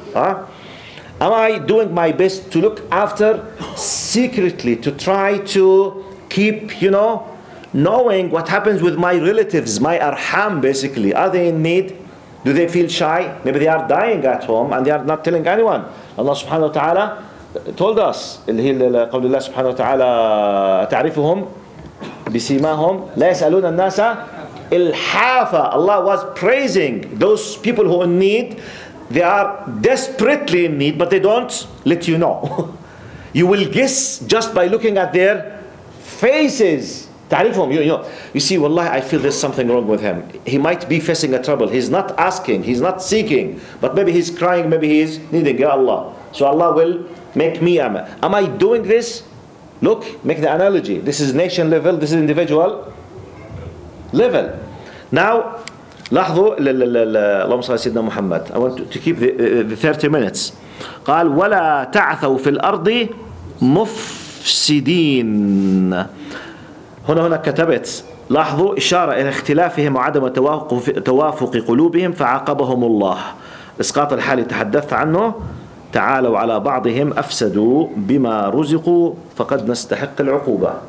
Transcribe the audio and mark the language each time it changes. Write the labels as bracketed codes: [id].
[en] Am I doing my best to look after secretly, to try to keep, you know, knowing what happens with my relatives, my arham basically. Are they in need? Do they feel shy? Maybe they are dying at home and they are not telling anyone. Allah subhanahu wa ta'ala told us, [ar] اللي هي قول الله سبحانه وتعالى تعرفهم بسيماهم لا يسألون الناس الحافه. [en] الله was praising those people who in need. They are desperately in need, but they don't let you know. You will guess just by looking at their faces. تعرفهم, you see, والله, I feel there's something wrong with him. He might be facing a trouble. He's not asking, he's not seeking, but maybe he's crying, maybe he's needing, ya Allah. So Allah will make me, am I doing this? Look, make the analogy. This is nation level, this is individual level. [ar] Now, لاحظوا, اللهم صل على سيدنا محمد. [en] I want to keep the 30 minutes. [ar] قال, ولا تعثوا في الأرض مفسدين. هنا هنا كتبت, لاحظوا إشارة إلى اختلافهم وعدم توافق قلوبهم فعاقبهم الله. إسقاط الحال تحدثت عنه, تعالوا على بعضهم أفسدوا بما رزقوا فقد نستحق العقوبة.